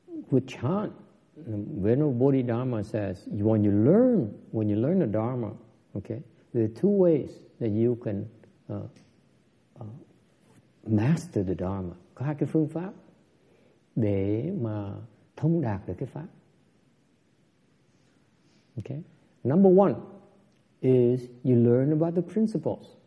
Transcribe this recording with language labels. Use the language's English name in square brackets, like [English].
[English] With chan, the Venerable Bodhidharma says, when you learn the dharma, okay, there are two ways that you can master the dharma. [Vietnamese] Có hai cái phương pháp để mà thông đạt được cái pháp. [English] Okay? Number one is you learn about the principles.